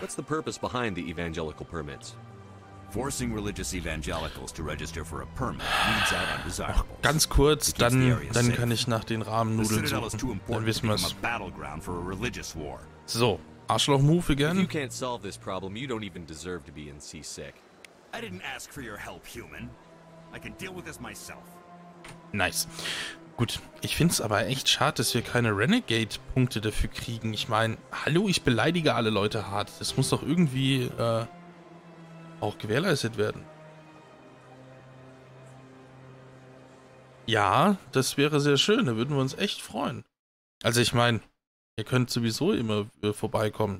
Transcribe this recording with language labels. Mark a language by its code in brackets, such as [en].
[en] What's the purpose behind the evangelical permits? Forcing religious evangelicals to register for a permit leads out undesirables. [de] Ganz kurz, dann kann ich nach den Rahmennudeln suchen. Dann wissen wir's. [en] Battleground for a religious war. [de] So, Arschloch-Move again. [en] If you can't solve this problem, you don't even deserve to be in C6. I didn't ask for your help, human. I can deal with this myself. Nice. [de] Gut, ich finde es aber echt schade, dass wir keine Renegade-Punkte dafür kriegen. Ich meine, hallo, ich beleidige alle Leute hart. Das muss doch irgendwie auch gewährleistet werden. Ja, das wäre sehr schön. Da würden wir uns echt freuen. Also ich meine, ihr könnt sowieso immer vorbeikommen.